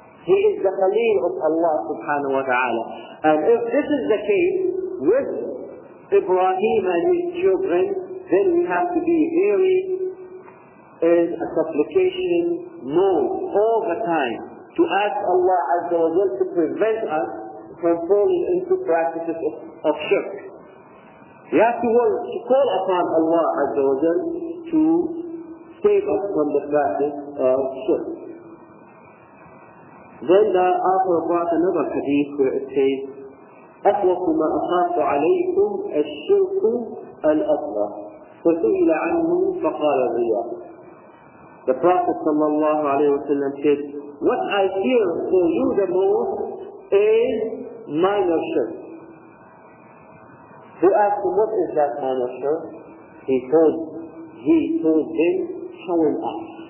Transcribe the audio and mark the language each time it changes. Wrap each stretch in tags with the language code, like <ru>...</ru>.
<en>He is the Khalil of Allah subhanahu wa ta'ala. And if this is the case with Ibrahim and his children, then we have to be very in a supplication mode all the time to ask Allah Azza wa Jalla to prevent us from falling into practices of shirk. We have to work to call upon Allah Azza wa Jalla to save us from the practice of shirk. Then the author brought another hadith where it says,</en> <ar>أَخْوَقُ مَا أَخَافُ عَلَيْكُمْ الشِّرْكُ الْأَصْغَرُ فَسُئِلَ عَنْهُ فَقَالَ الرِّيَاءُ.</ar> <en>The Prophet sallallahu alayhi wa sallam said, what I fear for you the most is minor shirk. He asked him, what is that minor shirk? He told him, showing off.</en>